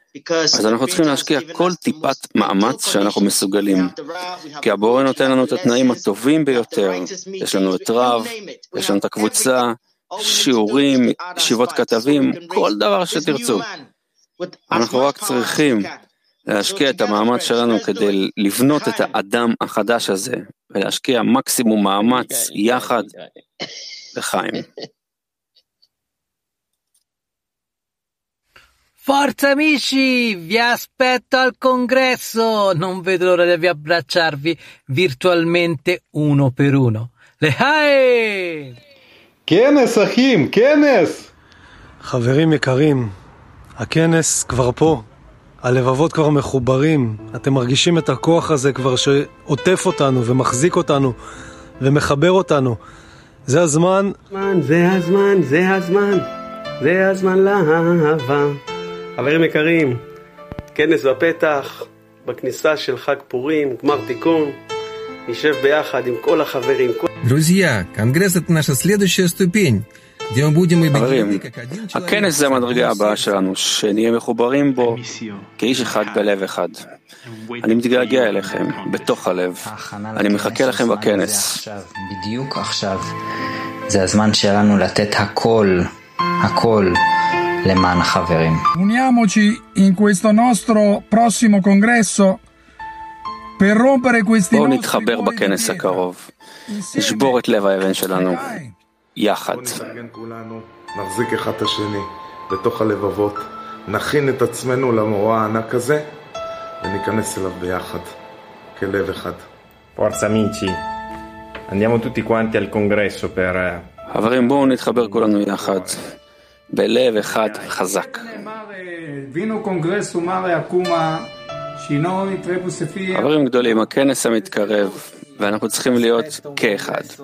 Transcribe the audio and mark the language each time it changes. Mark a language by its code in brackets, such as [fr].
[he] אז אנחנו צריכים להשקיע כל טיפת מאמץ שאנחנו מסוגלים, כי הבורא נותן לנו את התנאים הטובים ביותר, יש לנו את רב, יש לנו את הקבוצה, שיעורים, ישיבות כתבים, כל דבר שתרצו. אנחנו רק צריכים להשקיע את המאמץ שלנו כדי לבנות את האדם החדש הזה, ולהשקיע מקסימום מאמץ יחד לחיים. [it] Forza amici, vi aspetto al congresso, non vedo l'ora di abbracciarvi virtualmente uno per uno. [he] Lehai! כנס אחים, כנס! חברים יקרים, הכנס כבר פה, הלבבות כבר מחוברים, אתם מרגישים את הכוח הזה כבר שעוטף אותנו ומחזיק אותנו ומחבר אותנו. זה הזמן... זה הזמן, זה הזמן, זה הזמן לאהבה. חברים יקרים, כנס בפתח, בכניסה של חג פורים, גמר תיקון, נשב ביחד עם כל החברים. [ru] Друзья, конгресс это наша следующая ступень, где мы будем и [he] בקרים. הכנס זה המדרגה הבאה שלנו, שנהיה מחוברים בו כאיש אחד בלב אחד. אני מתגעגע אליכם בתוך הלב. אני מחכה לכם בכנס. בדיוק עכשיו זה הזמן שלנו לתת הכל, הכל למען החברים. [it] Uniamoci in questo nostro prossimo congresso per rompere questi nodi. [he] נתחבר בכנס הקרוב. נשבור את לב האבן שלנו יחד. בוא נתארגן כולנו, נחזיק אחד את השני בתוך הלבבות, נכין את עצמנו למורה הענק הזה וניכנס אליו ביחד כלב אחד. [it] Forza amici, andiamo tutti quanti al congresso per [he] חברים, בואו נתחבר כולנו יחד בלב אחד חזק. וינו קונגרסו מארי אקומה שינוי טרבוספי. חברים גדולים, הכנס המתקרב ואנחנו צריכים להיות כאחד.